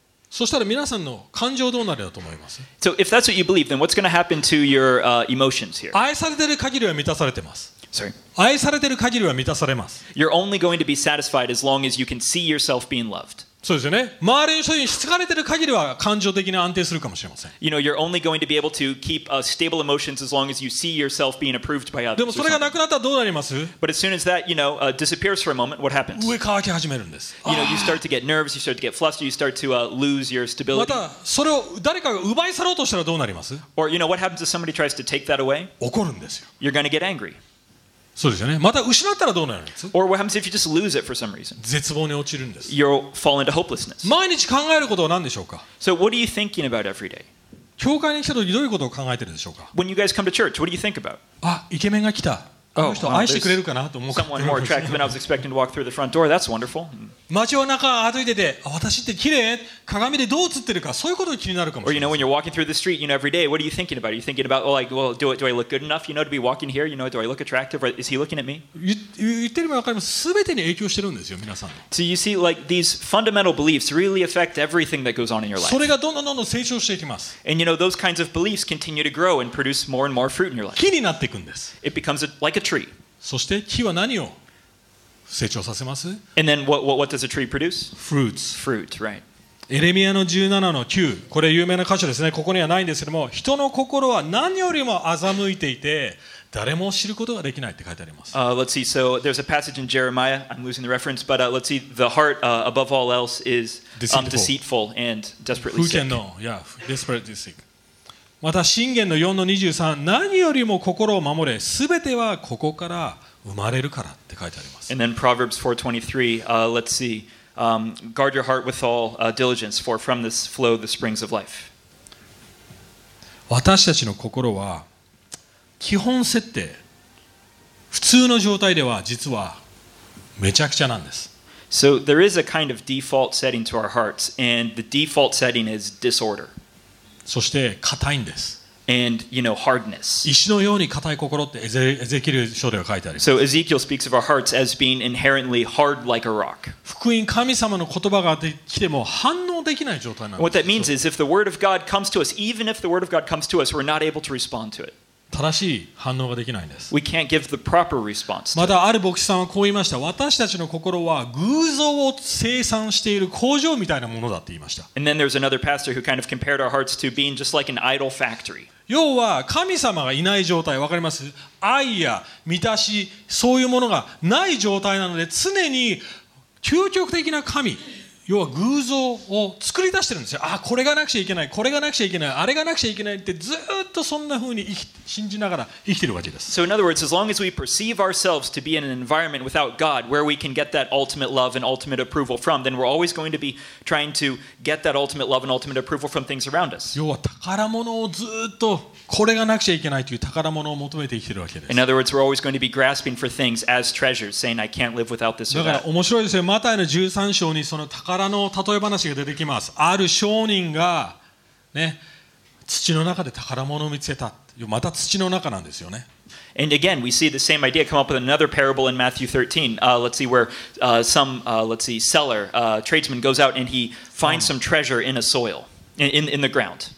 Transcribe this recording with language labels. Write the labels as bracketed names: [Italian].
[Japanese] そしたら皆さんの感情どうなるだと思います? [English] So if that's what you believe, then what's going to happen to your emotions here? [Japanese] 愛されてる限りは満たされてます。 [English] Sorry. [Japanese] 愛されてる限りは満たされます。 [English] You're only going to be satisfied as long as you can see yourself being loved. [Japanese] そうですよね。周りの人に疲れてる限りは感情的に安定するかもしれません。 [English] You know, you're only going to be able to keep stable emotions as long as you see yourself being approved by others. [Japanese] でもそれがなくなったらどうなります? [English] But as soon as that, you know, disappears for a moment, what happens? [Japanese] 上乾き始めるんです。 [English] You know, you start to get nerves, you start to get flustered, you start to lose your stability. [Japanese] またそれを誰かが奪い去ろうとしたらどうなります? [English] Or you know, what happens if somebody tries to take that away? [Japanese] 怒るんですよ。 [English] You're going to get angry. [Japanese] そうですよね。また失ったらどうなるんです? [English] Or what happens if you just lose it for some reason? [Japanese] 絶望に落ちるんです。 [English] You'll fall into hopelessness. [Japanese] 毎日考えることは何でしょうか? [English] So what are you thinking about every day? [Japanese] 教会に来た時どういうことを考えてるんでしょうか? [English] When you guys come to church, what do you think about? [Japanese] あ、イケメンが来た。あの人愛してくれるかなと思う。 [English] Someone more attractive than I was expecting to walk through the front door. That's wonderful. [Japanese] 街の中歩いてて、私って綺麗?鏡でどう映ってるか、そういうことが気になるかもしれない。 [English] Or you know, when you're walking through the street, you know, every day, what are you thinking about? Are you thinking about, well, like, well, do I look good enough, you know, to be walking here? You know, do I look attractive? Or is he looking at me? [Japanese] 言ってるのは分かります。すべてに影響してるんですよ、皆さん。 [English] So you see, like, these fundamental beliefs really affect everything that goes on in your life. [Japanese] それがどんどんどんどん成長していきます。 [English] And you know, those kinds of beliefs continue to grow and produce more and more fruit in your life. [Japanese] 木になっていくんです。 [English] It becomes like a tree. [Japanese] そして木は何を成長させます? [English] And then what does a tree produce? Fruits. Fruit, right. [Japanese] エレミアの17の9、これ有名な箇所ですね。ここにはないんですけども、人の心は何よりも欺いていて、誰も知ることができないって書いてあります。 [English] Let's see. So there's a passage in Jeremiah. I'm losing the reference, but let's see. The heart, above all else, is deceitful and desperately sick. Who can know? Yeah, desperately sick. [Japanese] また箴言の4の23、何よりも心を守れ、すべてはここから生まれるからって書いてあります。 [English] And then Proverbs 4:23, let's see. Guard your heart with all diligence, for from this flow the springs of life. [Japanese] 私たちの心は基本設定、普通の状態では実はめちゃくちゃなんです。 [English] So there is a kind of default setting to our hearts, and the default setting is disorder. [Japanese] そして硬いんです。 [English] And you know, hardness. [Japanese] 石のように硬い心ってエゼキエル書では書いてあります。 [English] So Ezekiel speaks of our hearts as being inherently hard like a rock. [Japanese] 福音、神様の言葉が来ても反応できない状態なんです。 [English] What that means is if the word of God comes to us, even if the word of God comes to us, we're not able to respond to it. [Japanese] 正しい反応ができないんです。 [English] We can't give the proper response. [Japanese] またある牧師さんはこう言いました。私たちの心は偶像を生産している工場みたいなものだって言いました。 [English] And then there's another pastor who kind of compared our hearts to being just like an idol factory. [Japanese] 要は神様がいない状態、わかります？愛や満たし、そういうものがない状態なので、常に究極的な神。要は偶像を作り出してるんですよ。あ、これがなくちゃいけない、これがなくちゃいけない、あれがなくちゃいけないってずっとそんな風に信じながら生きてるわけです。 [English] So in other words, as long as we perceive ourselves to be in an environment without God, where we can get that ultimate love and ultimate approval from, then we're always going to be trying to get that ultimate love and ultimate approval from things around us. [Japanese] 要は宝物をずっとこれがなくちゃいけないという宝物を求めて生きてるわけです。 [English] In other words, we're always going to be grasping for things as treasures, saying, I can't live without this or that. [Japanese] だから面白いですよ。マタイの13章にその宝の例え話が出てきます。ある商人が、ね、土の中で宝物を見つけた。また土の中なんですよね。 [English] And again, we see the same idea come up with another parable in Matthew 13. Let's see where some, let's see, seller, tradesman goes out and he finds some treasure in a soil, in the ground.